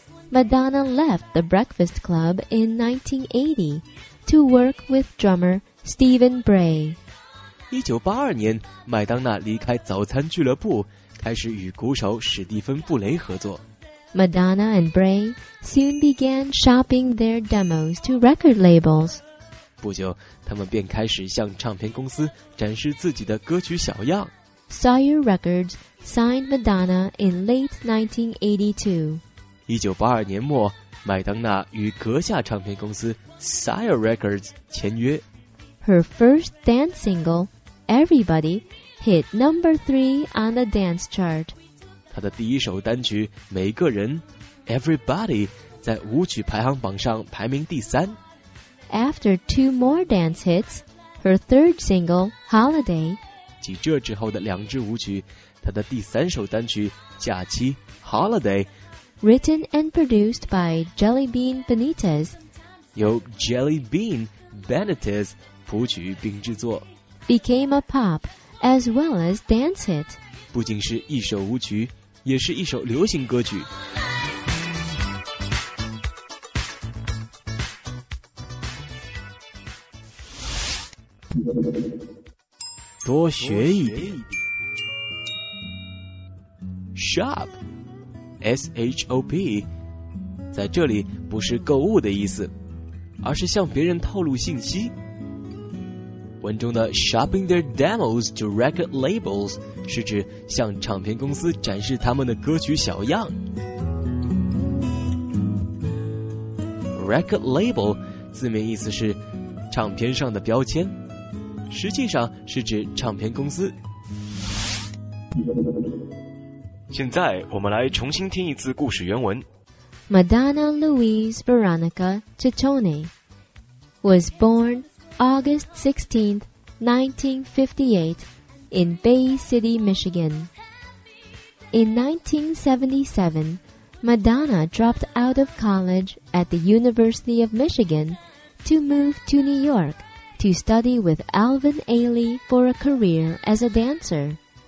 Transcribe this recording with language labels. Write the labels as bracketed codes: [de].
[en] Madonna left the Breakfast Club in 1980 to work with drummer Stephen Bray. [zh] 1982年，麦当娜离开早餐俱乐部，开始与鼓手史蒂芬·布雷合作。 [en] Madonna and Bray soon began shopping their demos to record labels. [zh] 不久，他们便开始向唱片公司展示自己的歌曲小样。 [en] Sire Records signed Madonna in late 1982. [zh] 1982年末，麦当娜与阁下唱片公司 Sire Records 签约。 [en] Her first dance single, Everybody, hit number 3 on the dance chart. [zh] 她的第一首单曲《每个人》Everybody 在舞曲排行榜上排名第三。 [en] After two more dance hits, her third single, Holiday. [zh] 继这之后的两支舞曲，她的第三首单曲《假期》Holiday, [en] Written and produced by Jelly Bean Benitez. [zh] 由 Jelly Bean Benitez 谱曲并制作。 [en] Became a pop as well as dance hit. [zh] 不仅是一首舞曲，也是一首流行歌曲。多学一点。 [en] Shop. [zh] S-H-O-P 在这里不是购物的意思，而是向别人透露信息。文中的 [en] shopping their demos to record labels [zh] 是指向唱片公司展示他们的歌曲小样。 record label 字面意思是唱片上的标签，实际上是指唱片公司。现在我们来重新听一次故事原文。 [en] Madonna Louise Veronica Ciccone was born August 16th, 1958 in Bay City, Michigan. In 1977, Madonna dropped out of college at the University of Michigan to move to New York to study with Alvin Ailey for a career as a dancer.